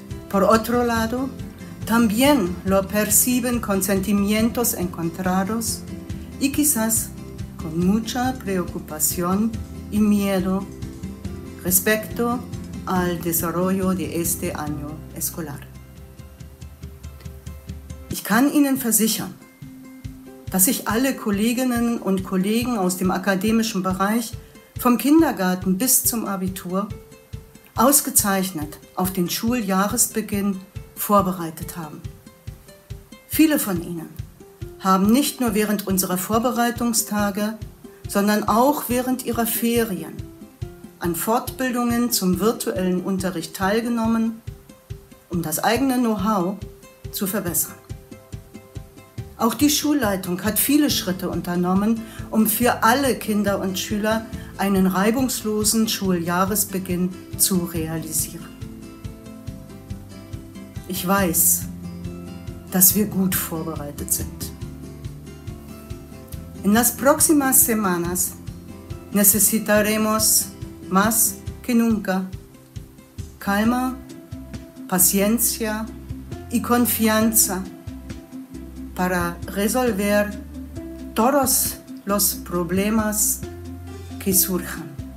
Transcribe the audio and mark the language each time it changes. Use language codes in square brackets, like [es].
[es] Por otro lado, también lo perciben con sentimientos encontrados y quizás con mucha preocupación y miedo respecto al desarrollo de este año escolar. [de] Ich kann Ihnen versichern, dass sich alle Kolleginnen und Kollegen aus dem akademischen Bereich vom Kindergarten bis zum Abitur ausgezeichnet auf den Schuljahresbeginn vorbereitet haben. Viele von Ihnen haben nicht nur während unserer Vorbereitungstage, sondern auch während ihrer Ferien an Fortbildungen zum virtuellen Unterricht teilgenommen, um das eigene Know-how zu verbessern. Auch die Schulleitung hat viele Schritte unternommen, um für alle Kinder und Schüler einen reibungslosen Schuljahresbeginn zu realisieren. Ich weiß, dass wir gut vorbereitet sind. [es] En las próximas semanas necesitaremos más que nunca calma, paciencia y confianza para resolver todos los problemas que surjan.